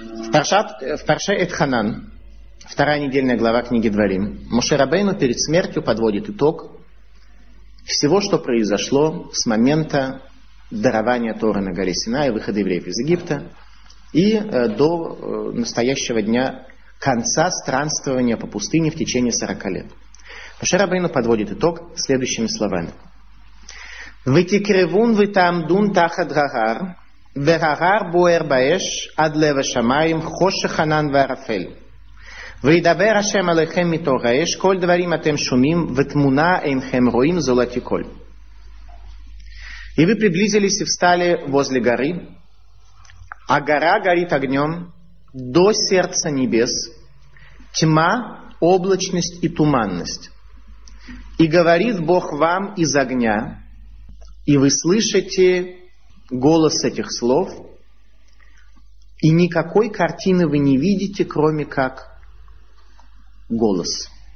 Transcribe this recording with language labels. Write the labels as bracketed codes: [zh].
[ru] В Парше Этханан, вторая недельная глава книги Дворим, Моше Рабейну перед смертью подводит итог всего, что произошло с момента дарование Торы на горе Синай, выхода евреев из Египта и до настоящего дня конца странствования по пустыне в течение 40 лет. Моше Рабейну подводит итог следующими словами. [he] ותקרבון ותעמדון תחת הגר, והגר בוער באש עד לב השמיים, חושך ענן וערפל. וידבר השם עליכם מתוך האש, כל דברים אתם שומעים, ותמונה אינכם רואים זולת יקול. [ru] И вы приблизились и встали возле горы, а гора горит огнем до сердца небес, тьма, облачность и туманность. И говорит Бог вам из огня, и вы слышите голос этих слов, и никакой картины вы не видите, кроме как голос.